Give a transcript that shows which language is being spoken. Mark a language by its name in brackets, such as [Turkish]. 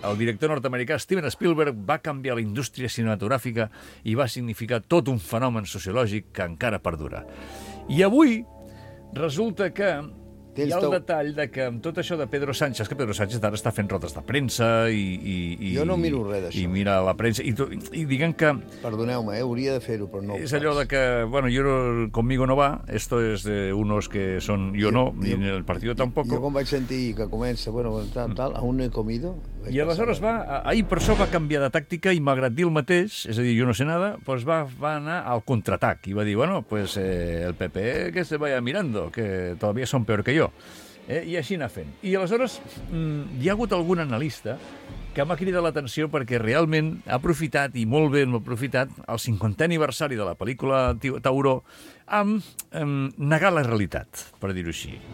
[Catalan] El director nord-americà Steven Spielberg va canviar la indústria cinematogràfica i va significar tot un fenomen sociològic que encara perdura. I avui resulta que hi ha el detall de que amb tot això de Pedro Sánchez, que Pedro Sánchez ara està fent rodes de premsa i jo no miro res d'això. I mira la premsa i diguem que... Perdoneu-me, hauria de fer-ho, però no. És allò de que, [Spanish] bueno, yo conmigo no va, esto es de unos que son yo no, ni en el partido tampoco. [Catalan] Jo quan vaig sentir que comença, bueno, tal, [Spanish] aún no he comido... [Catalan] I aleshores va, ahir per això va canviar de tàctica i malgrat dir el mateix, és a dir, jo [Spanish] no sé nada, [Catalan] pues va anar al contraatac i va dir, bueno, pues el PP [Spanish] que se vaya mirando, que todavía son peor que yo. [Catalan] I així anar fent. I aleshores hi ha hagut algun analista que m'ha cridat l'atenció perquè realment ha aprofitat, i molt ben ha aprofitat, el 50è aniversari de la pel·lícula Tauró amb negar la realitat, per dir-ho així.